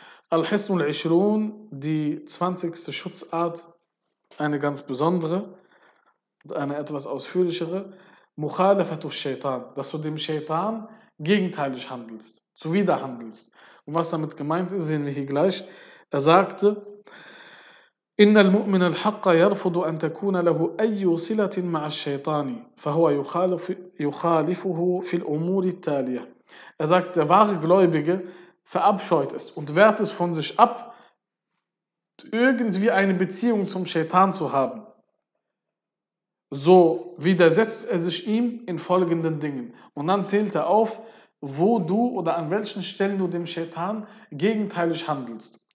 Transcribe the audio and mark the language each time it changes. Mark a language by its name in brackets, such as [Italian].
[German] Al-Hisnul Ishrun, die 20. Schutzart, eine ganz besondere und eine etwas ausführlichere, Mukhalafatu Shaitan, dass du dem Shaitan gegenteilig handelst, zuwiderhandelst. Und was damit gemeint ist, sehen wir hier gleich. Er sagte, [Arabic] إِنَّ الْمُؤْمِنَ الْحَقَّ يَرْفُضُ أَن تَكُونَ لَهُ أَيُّ صِلَةٍ مَعَ الشَّيْطَانِ فَهُوَ يُخَالِفُهُ فِي الْأُمُورِ التَّالِيَةِ. [German] Er sagt, der wahre Gläubige verabscheut es und wehrt es von sich ab, irgendwie eine Beziehung zum Shaitan zu haben. So widersetzt er sich ihm in folgenden Dingen. Und dann zählt er auf, wo du oder an welchen Stellen du dem Shaitan gegenteilig handelst.